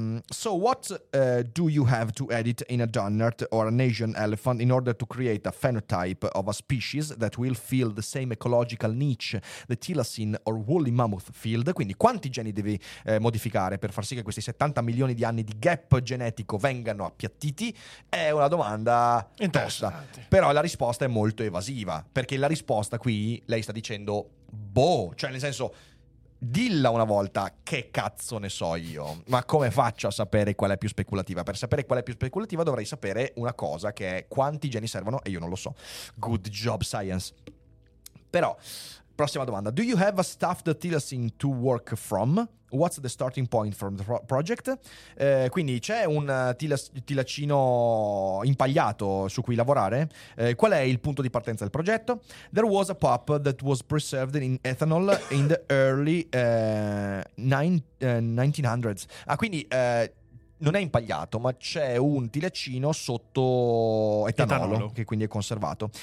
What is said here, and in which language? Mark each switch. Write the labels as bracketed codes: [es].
[en] So what do you have to edit in a dunnart or an Asian elephant in order to create a phenotype of a species that will fill the same ecological niche the thylacine or woolly mammoth filled? [it] Quindi quanti geni devi modificare per far sì che questi 70 milioni di anni di gap genetico vengano appiattiti? È una domanda tosta, però la risposta è molto evasiva, perché la risposta qui lei sta dicendo boh, cioè nel senso, dilla una volta, che cazzo ne so io. Ma come faccio a sapere qual è più speculativa? Per sapere qual è più speculativa dovrei sapere una cosa, che è quanti geni servono, e io non lo so. [en] Good job, science. [it] Però, prossima domanda. [en] Do you have a stuffed thylacine to work from? What's the starting point from the project? [it] Quindi c'è un tilacino impagliato su cui lavorare? Qual è il punto di partenza del progetto? [en] There was a pup that was preserved in ethanol in the early 1900s. [it] Ah, quindi non è impagliato, ma c'è un tilacino sotto etanolo, che quindi è conservato.